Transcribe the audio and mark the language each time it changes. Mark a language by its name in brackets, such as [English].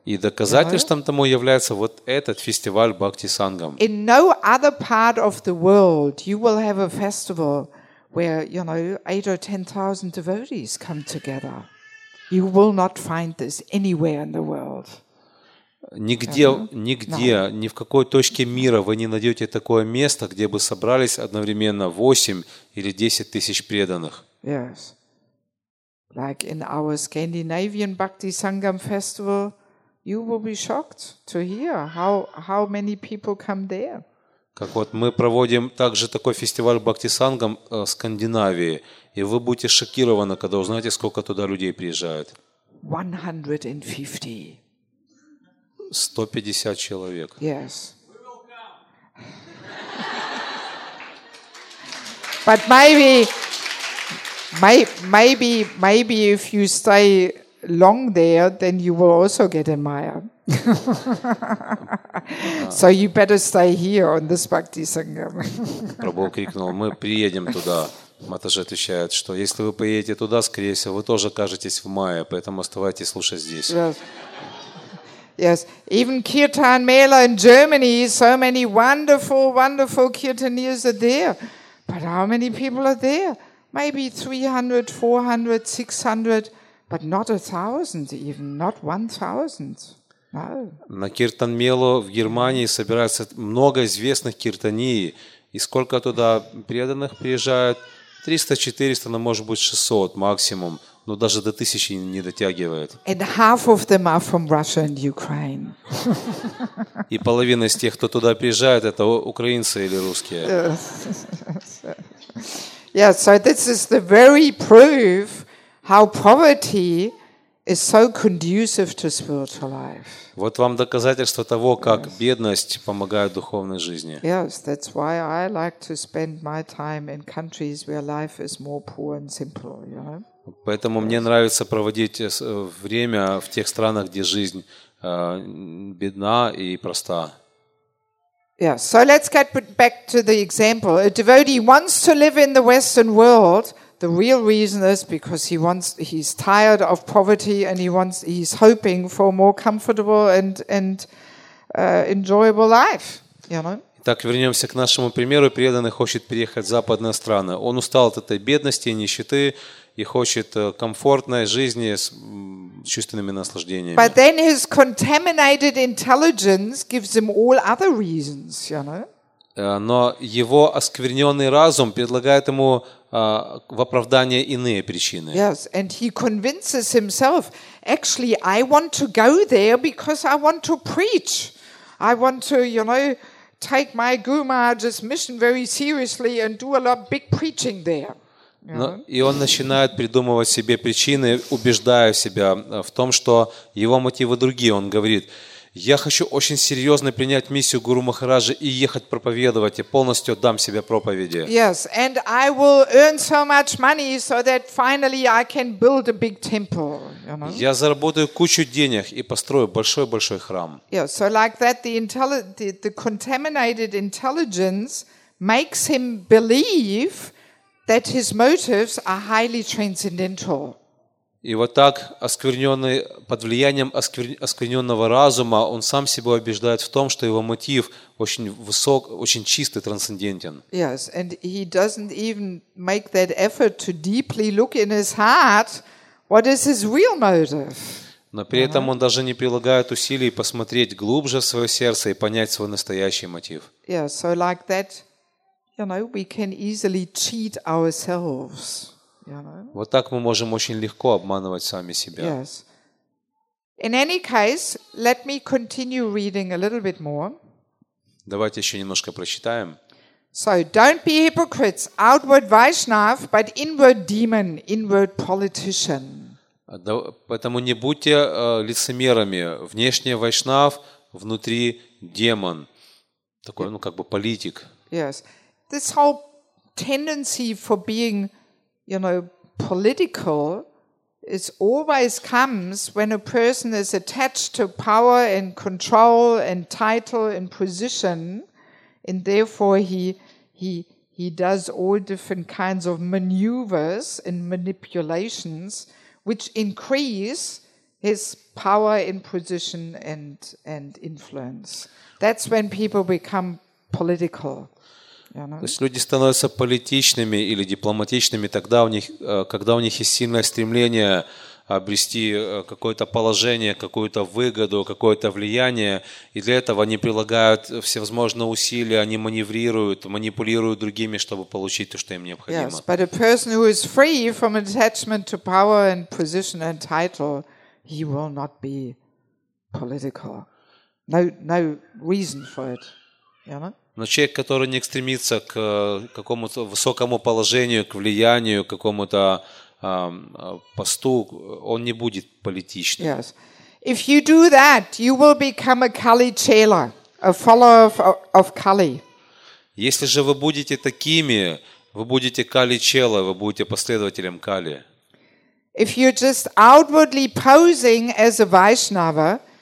[Russian] И доказательством тому является вот этот фестиваль Бхакти Сангам. [English] In no other part of the world you will have a festival where, you know, 8,000 or 10,000 devotees come together. You will not find this anywhere in the world. [Russian] Нигде, ни в какой точке мира вы не найдете такое место, где бы собрались одновременно 8 или 10 тысяч преданных. [English] Yes. Like in our Scandinavian Bhakti Sangam festival, you will be shocked to hear how many people come there. [Russian] Как вот мы проводим также такой фестиваль Бхакти Сангам в Скандинавии, и вы будете шокированы, когда узнаете, сколько туда людей приезжает. [English] 150. [Russian] 150 человек. [English] Yes. But maybe if you stay long there, then you will also get a Maya. So you better stay here on this Bhakti Sangam. [Russian] Prabhu крикнул: "Мы приедем туда". Матаджи отвечает, что если вы поедете туда, скорее всего, вы тоже окажетесь в мае, поэтому оставайтесь слушать здесь. [English] Yes. Yes. Even Kirtan Mela in Germany, so many wonderful, wonderful Kirtaniers are there. But how many people are there? Maybe 300, 400, 600, but not 1,000 even, not 1,000. No. [Russian] На Kirtan Mela в Германии собирается много известных киртании. И сколько туда преданных приезжают? 300-400, но, может быть, 600 максимум, но даже до 1000 не дотягивает. [English] And half of them are from Russia and Ukraine. [Russian] И половина из тех, кто туда приезжает, это украинцы или русские. [English] Yeah, so this is the very proof how poverty is so conducive to spiritual life. [Russian] Вот вам доказательство того, как бедность помогает духовной жизни. [English] Yes, that's why I like to spend my time in countries where life is more poor and simple, you know. [Russian] Поэтому мне нравится проводить время в тех странах, где жизнь бедна и проста. [English] Yeah, so let's get back to the example. A devotee wants to live in the Western world. The real reason is because he's tired of poverty and he's hoping for a more comfortable and enjoyable life, you know. [Russian] Так вернёмся к нашему примеру. Преданный хочет переехать в западные страны. Он устал от этой бедности и нищеты и хочет комфортной жизни с чувственными наслаждениями. [English] But then his contaminated intelligence gives him all other reasons, you know. [Russian] Но его осквернённый разум предлагает ему в оправдание иные причины. [English] Yes, and he convinces himself, actually, I want to go there because I want to preach. I want to, you know, take my Guru Maharaj's mission very seriously and do a lot of big preaching there. [Russian] Но, и он начинает придумывать себе причины, убеждая себя в том, что его мотивы другие. Он говорит: «Я хочу очень серьезно принять миссию Гуру Махараджа и ехать проповедовать, и полностью отдам себя проповеди». [English] Yes, and I will earn so much money so that finally I can build a big temple. [Russian] Я заработаю кучу денег и построю большой-большой храм. [English] Yeah, so like that the contaminated intelligence makes him believe that his motives are highly transcendental. [Russian] И вот так, осквернённый под влиянием осквернённого разума, он сам себя убеждает в том, что его мотив очень высок, очень чистый, трансцендентен. [English] Yes, and he doesn't even make that effort to deeply look in his heart what is his real motive. [Russian] Но при этом он даже не прилагает усилий посмотреть глубже в своё сердце и понять свой настоящий мотив. [English] Yes, so like that, you know, we can easily cheat ourselves. [Russian] Вот так мы можем очень легко обманывать сами себя. [English] Yes. In any case, let me continue reading a little bit more. [Russian] Давайте еще немножко прочитаем. [English] So, don't be hypocrites, outward Vaishnav, but inward demon, inward politician. [Russian] Поэтому не будьте лицемерами. Внешне Вайшнав, внутри демон. Такой, ну, как бы политик. [English] Yes. This whole tendency for being, you know, political, it always comes when a person is attached to power and control and title and position, and therefore he does all different kinds of maneuvers and manipulations which increase his power and position and influence. That's when people become political. [Russian] То есть люди становятся политичными или дипломатичными тогда, когда у них есть сильное стремление обрести какое-то положение, какую-то выгоду, какое-то влияние, и для этого они прилагают всевозможные усилия, они маневрируют, манипулируют другими, чтобы получить то, что им необходимо. [English] Yes, but a person who is free from attachment to power and position and title, he will not be political. No reason for it. You know? [Russian] Но человек, который не стремится к какому-то высокому положению, к влиянию, к какому-то посту, он не будет политичным. [English] Yes. If you do that, you will become a Kali Chela, a follower of Kali. [Russian] Если же вы будете такими, вы будете Kali Chela, вы будете последователем Kali. [English] If you're just outwardly posing as a Vaishnava,